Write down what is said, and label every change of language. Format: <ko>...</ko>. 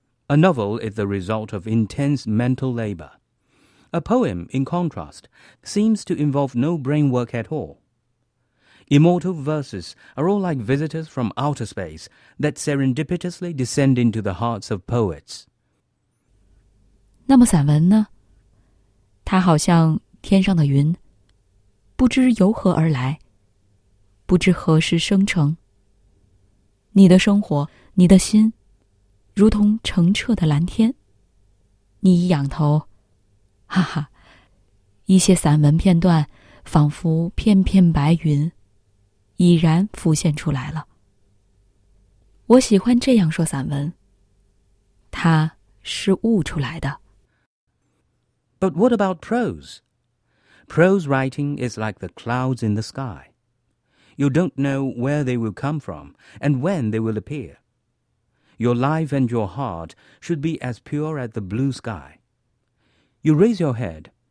<en>A novel is the result of intense mental labor. A poem, in contrast, seems to involve no brain work at all. Immortal verses are all like visitors from outer space that serendipitously descend into the hearts of poets.</en> <zh>那么散文呢？它好像天上的云，不知由何而来，不知何时生成。你的生活，你的心，如同澄澈的蓝天。你一仰头，哈哈，一些散文片段仿佛片片白云已然浮现出来了。我喜欢这样说散文，它是悟出来的。</zh> <en>But what about prose? Prose writing is like the clouds in the sky. You don't know where they will come from and when they will appear. Your life and your heart should be as pure as the blue sky. You raise your head.</en>